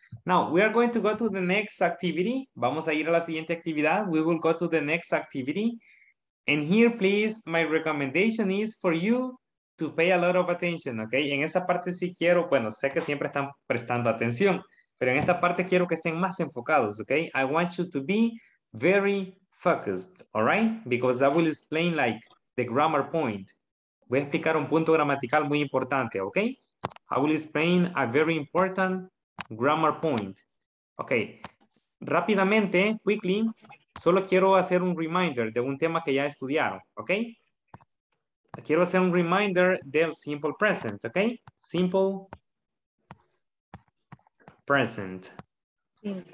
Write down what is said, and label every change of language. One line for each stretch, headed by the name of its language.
English: Now, we are going to go to the next activity.
Spanish: Vamos a ir a la siguiente actividad.
English: We will go to the next activity. And here, please, my recommendation is for you to pay a lot of attention, okay?
Spanish: En esta parte sí quiero, bueno, sé que siempre están prestando atención, pero en esta parte quiero que estén más enfocados, okay?
English: I want you to be very focused, all right? Because I will explain, like, the grammar point.
Spanish: Voy a explicar un punto gramatical muy importante, okay?
English: I will explain a very important grammar point.
Spanish: Okay, rápidamente, quickly, solo quiero hacer un reminder de un tema que ya estudiaron, okay? Quiero hacer un reminder del simple present, okay? Simple present. Simple.